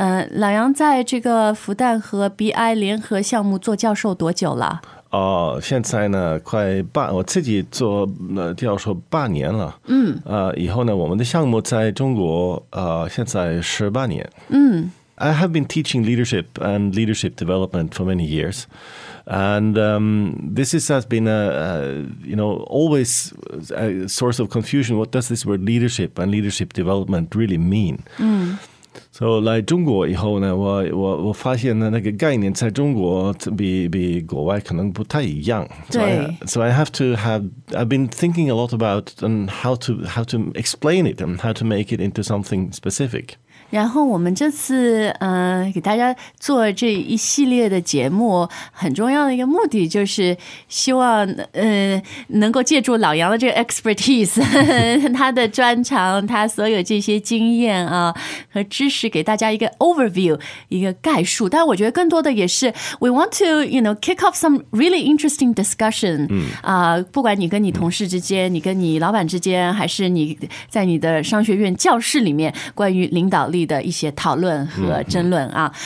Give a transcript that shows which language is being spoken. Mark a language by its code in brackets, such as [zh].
[zh] 老杨在这个复旦和 BI 联合项目做教授多久了？现在呢快半，我自己做教授半年了。以后呢我们的项目在中国现在十八年。 [en] I have been teaching leadership and leadership development for many years. And this has been always a source of confusion. What does this word leadership and leadership development really mean? [zh] So 来中国以后呢，我发现呢那个概念在中国比国外可能不太一样。 [en] So I've been thinking a lot about and how to explain it and how to make it into something specific. [zh] 然后我们这次给大家做这一系列的节目，很重要的一个目的就是希望能够借助老杨的这个 expertise， 他的专长，他所有这些经验啊和知识，给大家一个 overview， 一个概述。但我觉得更多的也是 [en] we want to kick off some really interesting discussion。 [zh] 不管你跟你同事之间，你跟你老板之间，还是你在你的商学院教室里面，关于领导力的一些讨论和争论啊。